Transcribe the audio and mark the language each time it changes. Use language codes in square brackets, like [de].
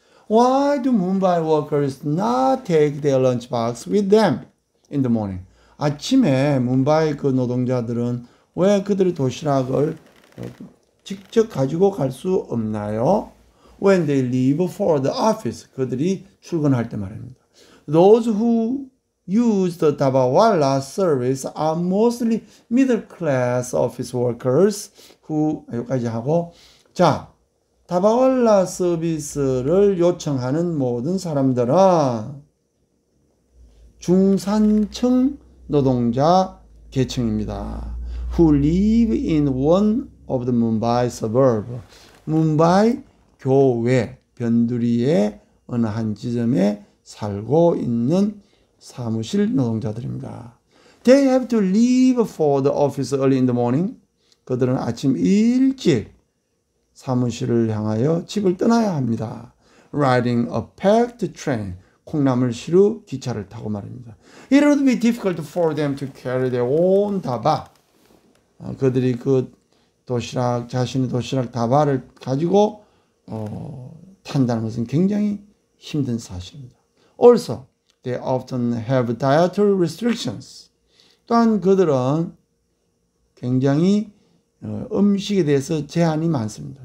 [en] Why do Mumbai workers not take their lunch box with them in the morning? [ko] 아침에 뭄바이 그 노동자들은 왜 그들의 도시락을 직접 가지고 갈수 없나요? [en] When they leave for the office, [ko] 그들이 출근할 때 말입니다. [en] Those who use the Dabawala service are mostly middle class office workers who [ko] 여기까지 하고 자. 다바올라 서비스를 요청하는 모든 사람들은 중산층 노동자 계층입니다. [en] Who live in one of the Mumbai suburb. [ko] 뭄바이 교외 변두리의 어느 한 지점에 살고 있는 사무실 노동자들입니다. [en] They have to leave for the office early in the morning. [ko] 그들은 아침 일찍 사무실을 향하여 집을 떠나야 합니다. [en] Riding a packed train, [ko] 콩나물시루 기차를 타고 말입니다. [en] It would be difficult for them to carry their own 다바. [ko] 그들이 그 도시락, 자신의 도시락 다바를 가지고 탄다는 것은 굉장히 힘든 사실입니다. [en] Also, they often have dietary restrictions. [ko] 또한 그들은 굉장히 음식에 대해서 제한이 많습니다.